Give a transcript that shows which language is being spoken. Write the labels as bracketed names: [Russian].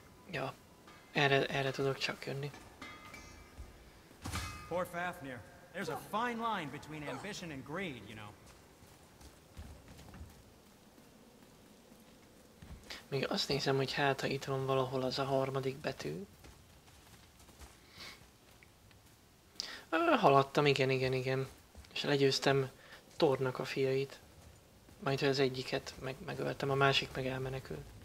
[Hungarian] Ja, erre tudok csak jönni. [English] Poor Fafnir. There's a fine line between ambition and greed, you know. [Hungarian] Még azt nézem, hogy hát, ha itt van valahol az a harmadik betű. Haladtam, igen. És legyőztem Thornak a fiait. Majd az egyiket megöltem, a másik meg elmenekül.